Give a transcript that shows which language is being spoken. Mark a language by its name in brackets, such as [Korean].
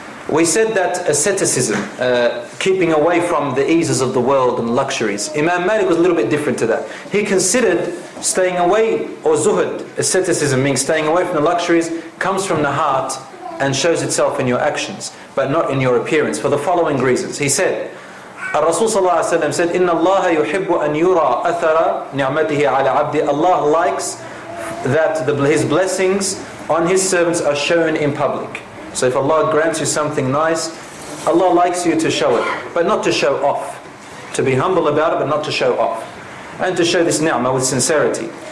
[English] We said that asceticism, keeping away from the eases of the world and luxuries, Imam Malik was a little bit different to that. He considered staying away, or zuhud, asceticism, meaning staying away from the luxuries, comes from the heart and shows itself in your actions, but not in your appearance, for the following reasons. He said, Rasul sallallahu alayhi wa sallam said, [Arabic] إِنَّ اللَّهَ يُحِبُّ أَنْ يُرَى أَثَرَ نِعْمَتِهِ عَلَىٰ عَبْدِ. [English] Allah likes that his blessings on his servants are shown in public. So if Allah grants you something nice, Allah likes you to show it, but not to show off. To be humble about it, but not to show off. And to show this ni'mah with sincerity.